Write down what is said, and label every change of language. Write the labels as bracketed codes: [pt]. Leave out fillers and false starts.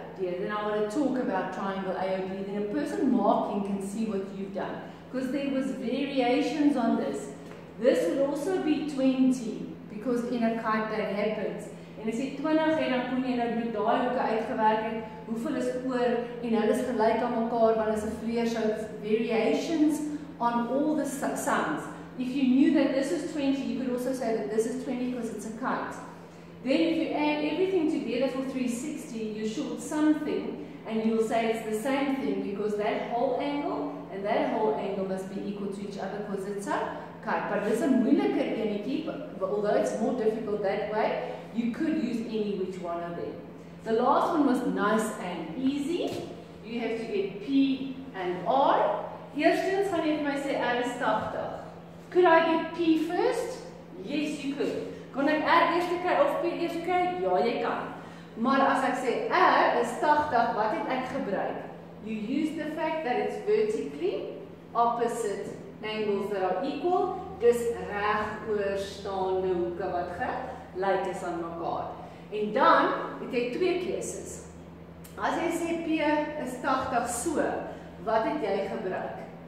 [af] Deur dan wil ek [en] talk about triangle AOD, then a person marking can see what you've done. Because there was variations on this. This would also be 20 because in a kite that happens. [af] En as jy 20 en dan kon jy nou met daai hoeke uitgewerk het, hoeveel is oor en hulle is gelyk aan mekaar want as 'n vleier sou [en] variations on all the sums. If you knew that this is 20, you could also say that this is 20 because it's a kite. Then if you add everything together for 360, you short something and you'll say it's the same thing because that whole angle and that whole angle must be equal to each other because it's a kite. But [af] dis 'n moeiliker enetjie, [en] but although it's more difficult that way, you could use any which one of them. The last one was nice and easy. You have to get P and R. [af] Eerstens gaan jy vir my sê R is 80. [en] Could I get P first? Yes, you could. [af] Kon ek R eers kry of P eers kry? Ja, jy kan. Maar as ek sê R is 80, wat het ek gebruik? [en] You use the fact that it's vertically opposite angles that are equal. [af] Dis reg oor staande hoeke wat gelyk is aan mekaar. En dan het jy twee keuses. As jy sê P is 80 so, wat het jy gebruik?